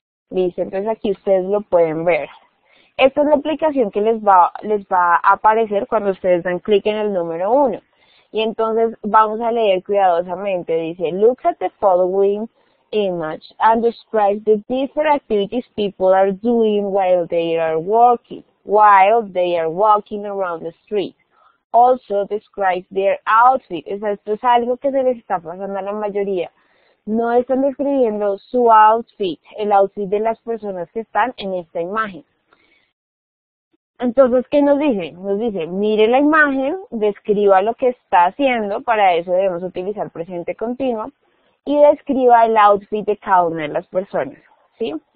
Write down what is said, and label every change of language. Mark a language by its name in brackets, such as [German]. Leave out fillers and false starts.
[Spanish] Listo, entonces aquí ustedes lo pueden ver. Esta es la aplicación que les va a aparecer cuando ustedes dan clic en el número 1. Y entonces vamos a leer cuidadosamente. Dice, [English] look at the following image and describe the different activities people are doing while they are working, while they are walking around the street. Also describe their outfit. [Spanish] O sea, esto es algo que se les está pasando a la mayoría. No están describiendo su outfit, el outfit de las personas que están en esta imagen. Entonces, ¿qué nos dice? Nos dice, mire la imagen, describa lo que está haciendo, para eso debemos utilizar presente continuo, y describa el outfit de cada una de las personas, ¿sí?